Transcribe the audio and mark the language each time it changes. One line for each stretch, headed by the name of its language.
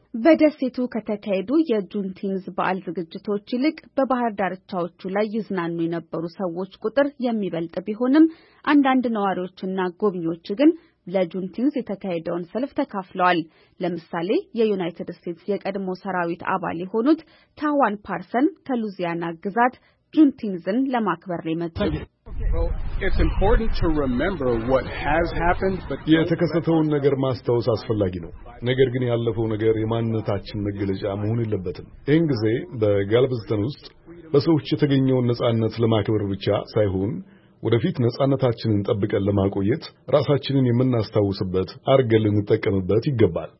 Amharic: በደሴቱ ከተካሄዱ የጁንቲንዝ በዓል ዝግጅቶች ይልቅ በባህር ዳርቻዎቹ ላይ ይዝናኑ የነበሩ ሰዎች ቁጥር የሚበልጥ ቢሆንም አንዳንድ ነዋሪዎችና ጎብኚዎች ግን ለጁንቲንዝ የተካሄደውን ሰልፍ ተካፍለዋል። ለምሳሌ የዩናይትድ ስቴትስ የቀድሞ ሰራዊት አባል የሆኑት ታዋን ፓርሰን ከሉዚያና ግዛት ጁንቲንዝን ለማክበር ይመጣሉ።
English: It's important to remember what has happened but
Amharic: የተከሰተውን ነገር ማስታወስ አስፈላጊ ነው። ነገር ግን ያለፈው ነገር የማንነታችን መገለጫ መሆን የለበትም። ይህን ጊዜ በጋልቭስተን ውስጥ በሰዎች የተገኘውን ነጻነት ለማክበር ብቻ ሳይሆን ወደፊት ነጻነታችንን ጠብቀን ለማቆየት ራሳችንን የምናስተውስበት አርገል እንጠቀምበት ይገባል።